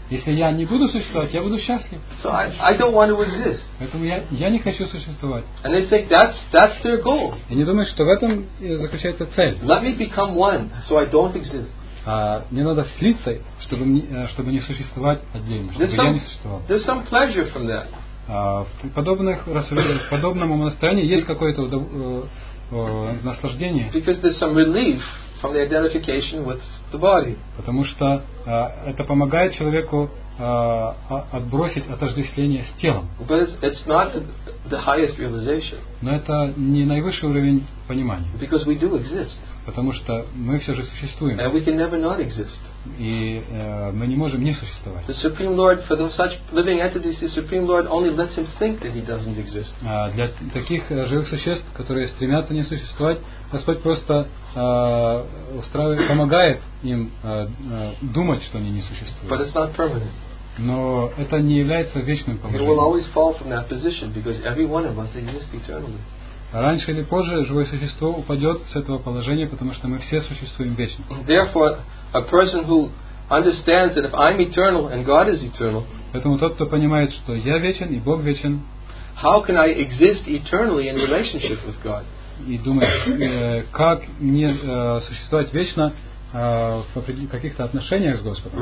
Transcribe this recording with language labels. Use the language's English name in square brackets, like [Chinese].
[Russian] Если я не буду существовать, я буду счастлив. [English] So I don't want to exist. [Russian] Поэтому я не хочу существовать. [English] And they think that's their goal. [Russian] И они думают, что в этом заключается цель. [English] Let me become one, so I don't exist. [Russian] Мне надо слиться, чтобы не существовать отдельно, чтобы я не существовал. [English] There's some pleasure from that. [Russian] В подобном настроении есть какое-то наслаждение. [English] Because there's some relief from the identification with the body. [Russian] Потому что это помогает человеку отбросить отождествление с телом. [English] But it's not the highest realization. [Russian] Но это не наивысший уровень понимания. [English] Because we do exist. [Russian] Потому что мы все же существуем. [English] And we can never not exist. [Russian] И мы не можем не существовать. [English] The Supreme Lord, for such living entities, the Supreme Lord only lets him think that he doesn't exist. [Russian] Для таких живых существ, которые стремятся не существовать, Господь просто помогает им думать, что они не существуют. [English] But it's not permanent. [Russian] Но это не является вечным положением. [English] He will always fall from that position because every one of us exists eternally. [Russian] Раньше или позже живое существо упадет с этого положения, потому что мы все существуем вечно. [English] Therefore, a person who understands that if I'm eternal and God is eternal, [Russian] поэтому тот, кто понимает, что я вечен и Бог вечен, [English] how can I exist eternally in relationship with God? [Russian] И думает, как мне существовать вечно в каких-то отношениях с Господом.